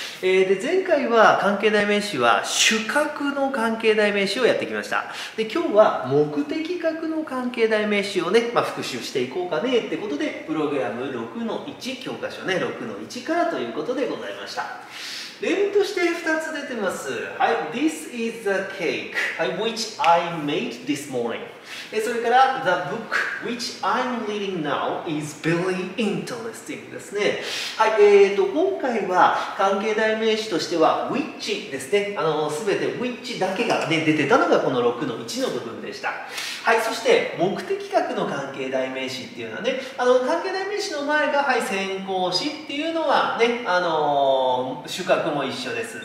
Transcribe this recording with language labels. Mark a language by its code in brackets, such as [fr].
[ja] で前回は関係代名詞は主格の関係代名詞をやってきました。で今日は目的格の関係代名詞をね、まあ、復習していこうかねってことでプログラム 6-1 教科書ね 6-1 からということでございました。例として2つ出てます。 [en] This is the cake which I made this morning。 [ja] それから [en] The book which I'm reading now is very interesting [ja] ですね。はい、今回は関係代名詞としては which ですね。すべて which だけが、ね、出てたのがこの 6-1 の部分でした。はい、そして目的格の関係代名詞っていうのはね、関係代名詞の前が、はい、先行詞っていうのはね、主格も一緒です。